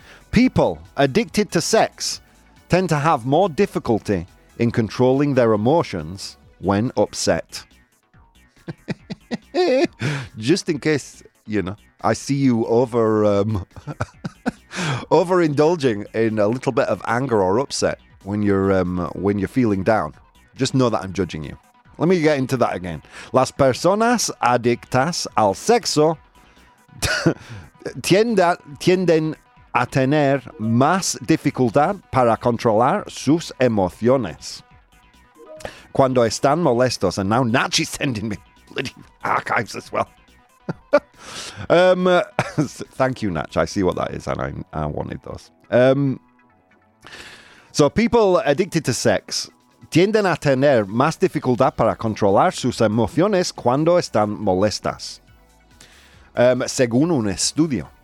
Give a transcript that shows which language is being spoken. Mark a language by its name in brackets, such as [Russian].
[English] People addicted to sex tend to have more difficulty in controlling their emotions when upset. Just in case, you know, I see you over overindulging in a little bit of anger or upset when you're feeling down, just know that I'm judging you. Let me get into that again. [Spanish] Las personas adictas al sexo tienden a tener más dificultad para controlar sus emociones cuando están molestos. [English] And now Nachi's sending me bloody archives as well. thank you, Nach. I see what that is, and I wanted those. So people addicted to sex [Spanish] tienden a tener más dificultad para controlar sus emociones cuando están molestas, según un estudio.